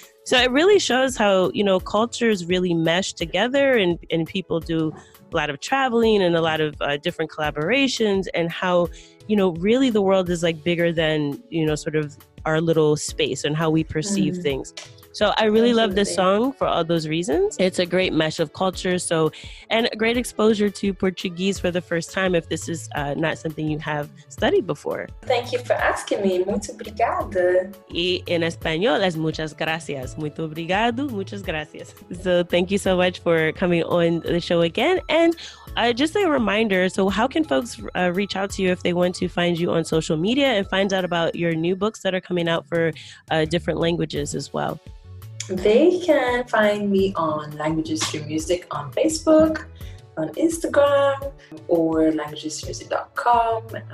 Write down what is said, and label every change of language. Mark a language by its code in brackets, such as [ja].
[en] So it really shows how, you know, cultures really mesh together, and people do a lot of traveling and a lot of different collaborations, and how, you know, really the world is like bigger than, you know, sort of our little space and how we perceive mm-hmm. things. So I really love this song for all those reasons. It's a great mesh of culture. So, and a great exposure to Portuguese for the first time if this is not something you have studied before. Thank you for asking me. [pt] Muito obrigada. [es] Y en español es muchas gracias. [pt] Muito obrigado, [es] muchas gracias. [en] So thank you so much for coming on the show again. And just a reminder, so how can folks reach out to you if they want to find you on social media and find out about your new books that are coming out for different languages as well? They can find me on Languages Through Music on Facebook, on Instagram, or languagesthroughmusic.com.